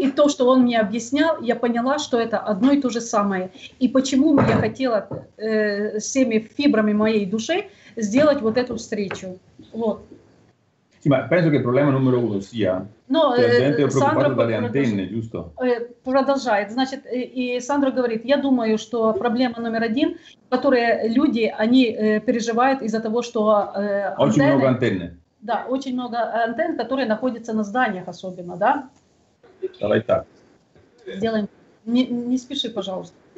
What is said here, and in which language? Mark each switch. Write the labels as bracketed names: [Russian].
[Russian] И то, что он мне объяснял, я поняла, что это одно и то же самое. И почему я хотела всеми фибрами моей души сделать вот эту встречу. Вот. [Italian] Sì, ma penso che il problema numero uno sia no, che la gente è preoccupata dalle antenne, giusto? [Russian] Продолжает. Значит, и Сандра говорит, я думаю, что проблема номер один, которую люди, они переживают из-за того, что очень много антенны. Да, очень много антенн, которые находятся на зданиях особенно, да? Давай так. Сделаем. Не спеши, пожалуйста.